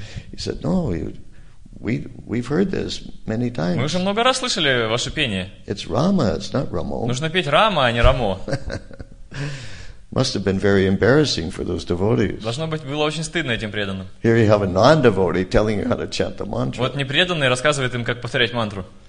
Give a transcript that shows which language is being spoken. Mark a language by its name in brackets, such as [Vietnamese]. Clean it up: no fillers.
[English] He said, "No, we've heard this many times." [Russian] Мы уже много раз слышали ваше пение. [English] It's Rama, it's not Ramo. [Russian] Нужно петь Рама, а не Рамо. [English] Must have been very embarrassing for those devotees. [Russian] Должно быть, было очень стыдно этим преданным. [English] Here you have a non-devotee telling you how to chant the mantra. [Russian] Вот непреданный рассказывает им, как повторять мантру.